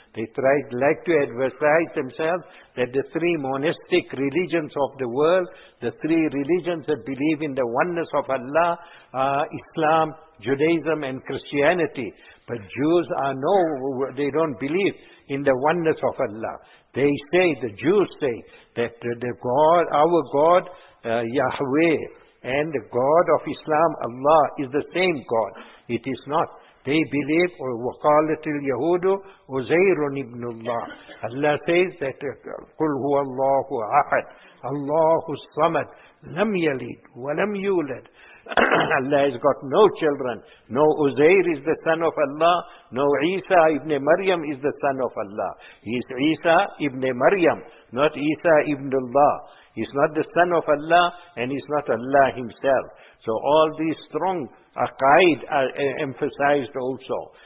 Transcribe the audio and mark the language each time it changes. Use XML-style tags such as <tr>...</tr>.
<en>They like to advertise themselves that the three monistic religions of the world, the three religions that believe in the oneness of Allah, are Islam, Judaism and Christianity. But Jews they don't believe in the oneness of Allah. They say, the Jews say, that the God, our God, Yahweh, and the God of Islam, Allah, is the same God. It is not. They believe,</en> <ar>وَقَالَتِ الْيَهُودُ عُزَيْرٌ إِبْنُ اللَّهِ.</ar> <en>Allah says that,</en> <ar>قُلْ هُوَ اللَّهُ أَحَدٌ اللَّهُ الصَّمَدُ لَمْ يَلِدْ وَلَمْ يُولَدْ.</ar> <en>Allah has got no children. No Uzair is the son of Allah. No Isa ibn Maryam is the son of Allah. He is Isa ibn Maryam, not Isa ibn Allah. He is not the son of Allah, and he is not Allah himself. So all these strong aqaid are emphasized also.</en>